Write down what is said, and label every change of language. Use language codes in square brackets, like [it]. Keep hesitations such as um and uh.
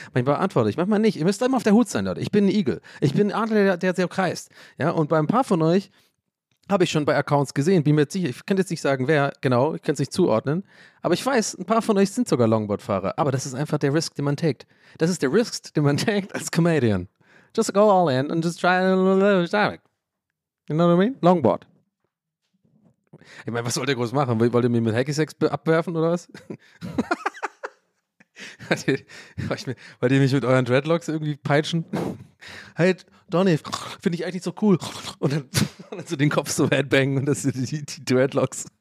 [de] Manchmal antworte ich, manchmal nicht. Ihr müsst immer auf der Hut sein, Leute. Ich bin ein Igel. Ich bin ein Adler, der, der sehr kreist. Ja, und bei ein paar von euch habe ich schon bei Accounts gesehen, bin mir jetzt sicher, ich kann jetzt nicht sagen, wer genau, ich kann es nicht zuordnen, aber ich weiß, ein paar von euch sind sogar Longboard-Fahrer, aber das ist einfach der Risk, den man takes. Das ist der Risk, den man takes als Comedian. [en] Just go all in and just try to it. You know what I mean? Longboard. [de] Ich meine, was wollt ihr groß machen? Wollt wollt ihr mich mit Hacky-Sex be- abwerfen oder was? wollt, ihr, wollt ihr- wollt ihr mich mit euren Dreadlocks irgendwie peitschen? hey, Donny, finde ich eigentlich nicht so cool. Und dann, und dann so den Kopf so headbangen und das sind die, die Dreadlocks.